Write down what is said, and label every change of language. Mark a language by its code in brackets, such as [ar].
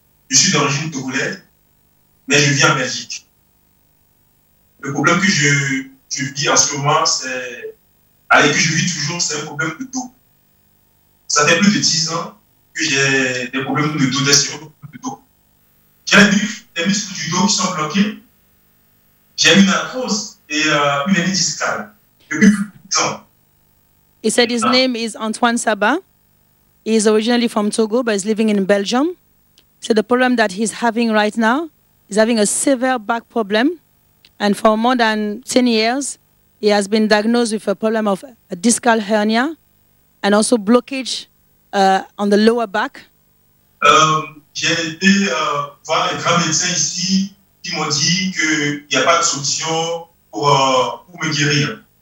[fr] Je suis d'origine togolaise, mais je vis en Belgique. Le problème que je vis en ce moment, c'est, avec qui je vis toujours, c'est un problème de dos. Ça fait plus de 10 ans que j'ai des problèmes de dos, J'ai des muscles du dos qui sont bloqués. J'ai une arthrose et une hernie discale depuis plus de 10 ans. [en] He said his name is Antoine Saba. He is originally from Togo, but is living in Belgium. So the problem that he's having right now, he's having a severe back problem. And for more than 10 years, he has been diagnosed with a problem of a discal hernia and also blockage on the lower back. [fr] J'ai été voir un grand médecin ici qui m'a dit qu'il n'y a pas de solution pour me guérir.